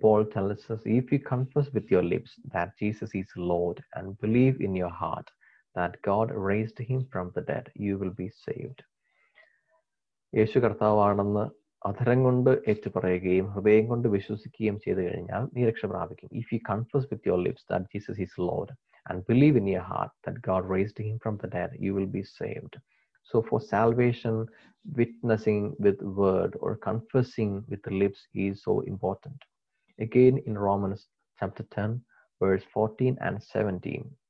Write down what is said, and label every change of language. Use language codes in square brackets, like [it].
[en] Paul tells us, if you confess with your lips that Jesus is Lord and believe in your heart that God raised him from the dead, you will be saved. [ml] യേശു കർത്താവാണെന്ന് അധരം കൊണ്ട് ഏറ്റുപറയുകയും ഹൃദയം കൊണ്ട് വിശ്വസിക്കുകയും ചെയ്തു കഴിഞ്ഞാൽ നീ രക്ഷ പ്രാപിക്കും. [en] If you confess with your lips that Jesus is Lord and believe in your heart that God raised him from the dead, you will be saved. So for salvation, witnessing with word or confessing with the lips is so important. Again, in Romans chapter 10, verse 14 and 17.